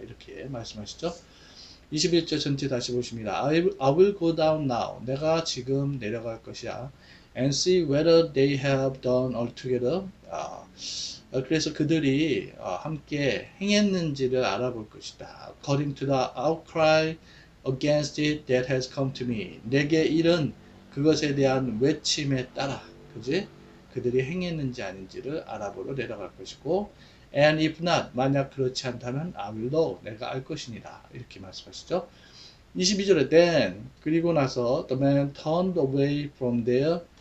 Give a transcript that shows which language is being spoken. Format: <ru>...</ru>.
<ko>이렇게 말씀하시죠? 21절 전체 다시 보십니다.</ko> <en>I will go down now.</en> <ko>내가 지금 내려갈 것이야.</ko> <en>And see whether they have done altogether.</en> <ko>그래서 그들이 함께 행했는지를 알아볼 것이다.</ko> <en>According to the outcry against it that has come to me.</en> <ko>내게 이른 그것에 대한 외침에 따라, 그지? 그들이 행했는지 아닌지를 알아보러 내려갈 것이고.</ko> <en>And if not,</en> <ko>만약 그렇지 않다면,</ko> <en>I will know,</en> <ko>내가 알 것이니라. 이렇게 말씀하시죠. 22절에,</ko> <en>then,</en> <ko>그리고 나서,</ko> <en>the man turned away from there.</en>